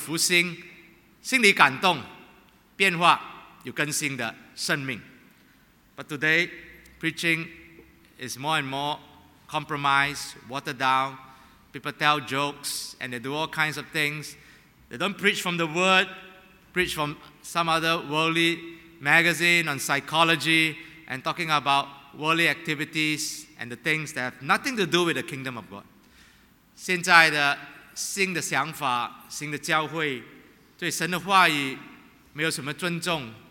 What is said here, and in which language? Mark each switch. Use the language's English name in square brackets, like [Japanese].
[Chinese] 就想到英国的那些宣教师在17世纪的时候，还有在这个德国耶尼瓦跟瑞士这个地方，他们的宣教师讲到呢超过一个小时，但是是面对用神的话语清清楚楚的全给使徒们听，使他们有美好的复兴，心里感动，变化。有更新的生命。 [English] But today, preaching is more and more compromised, watered down. People tell jokes and they do all kinds of things. They don't preach from the word, preach from some other worldly magazine on psychology and talking about worldly activities and the things that have nothing to do with the kingdom of God. [Chinese] 现在的新的想法，新的教会，对神的话语没有什么尊重。